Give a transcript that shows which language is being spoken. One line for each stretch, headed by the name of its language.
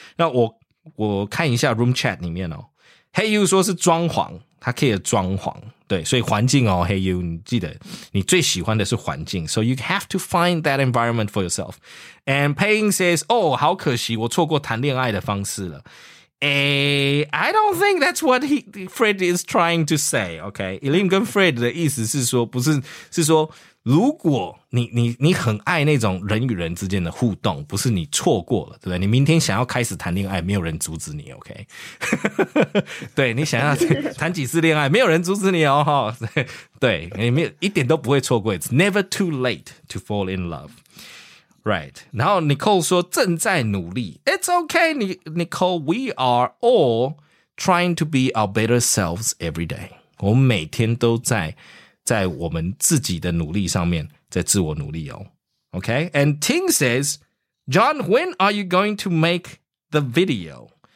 Chinese: 那我看一下 room chat 里面哦。Hey you 说是装潢，他 care 装潢，对，所以环境哦 ，Hey you， 你记得你最喜欢的是环境 ，
English: so you have to find that environment for yourself. And Payne says，
Chinese: 哦，好可惜，我错过谈恋爱的方式了。
English: I don't think that's what Fred is trying to say.
Chinese: Okay，Elim 跟 Fred 的意思是说，不是，是说。如果你很爱那种人与人之间的互动，不是你错过了，对不对？你明天想要开始谈恋爱，没有人阻止你 ，OK？ 对，你想要谈几次恋爱，没有人阻止你哦，哈。对，你没有一点都不会错过 ，
English: It's never too late to fall in love, right？
Chinese: 然后 Nicole 说正在努力
English: ，It's OK， Nicole， we are all trying to be our better selves every day。
Chinese: 我们每天都在我们自己的努力上面在自我努力哦。
English: OK, and Ting says, John, when are you going to make the video?